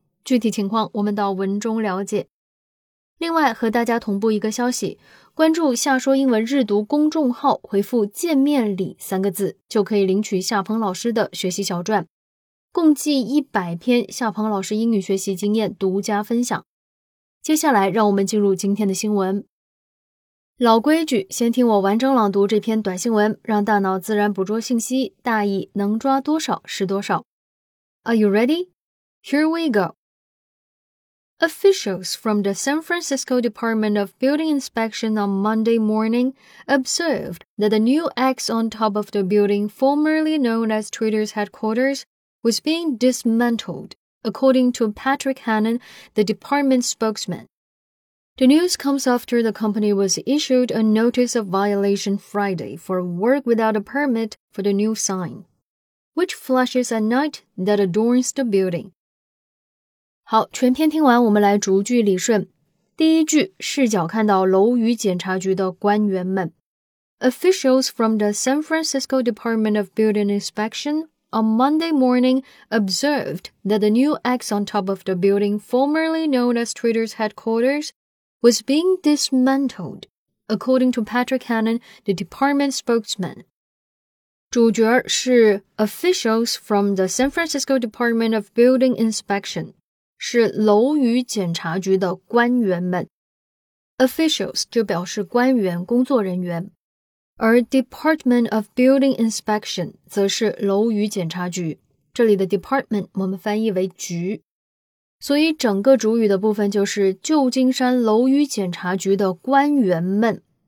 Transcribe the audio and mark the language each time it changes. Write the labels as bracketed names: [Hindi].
[Chinese] 具体情况我们到文中了解。另外和大家同步一个消息，关注夏说英文日读公众号，回复见面礼三个字，就可以领取夏鹏老师的学习小传，共计100篇夏鹏老师英语学习经验独家分享。接下来让我们进入今天的新闻。老规矩，先听我完整朗读这篇短新闻，让大脑自然捕捉信息，大意能抓多少是多少。 [English] Are you ready? Here we go. Officials from the San Francisco Department of Building Inspection on Monday morning observed that the new X on top of the building formerly known as Twitter's headquarters was being dismantled, according to Patrick Hannon, the department's spokesman. The news comes after the company was issued a notice of violation Friday for work without a permit for the new sign, which flashes at night that adorns the building. [Chinese] 好，全篇听完我们来逐句理顺。第一句，视角看到楼宇检察局的官员们。 [English] Officials from the San Francisco Department of Building Inspection on Monday morning observed that the new X on top of the building formerly known as Twitter's headquarters was being dismantled, according to Patrick Hannon, the department spokesman. [Chinese] 主角是 [English] officials from the San Francisco Department of Building Inspection. [Chinese] 是楼宇检察局的官员们。 Officials 就表示官员、工作人员。而 Department of Building Inspection 则是楼宇检察局。这里的 Department 我们翻译为局。所以整个主语的部分就是旧金山楼宇检察局的官员们。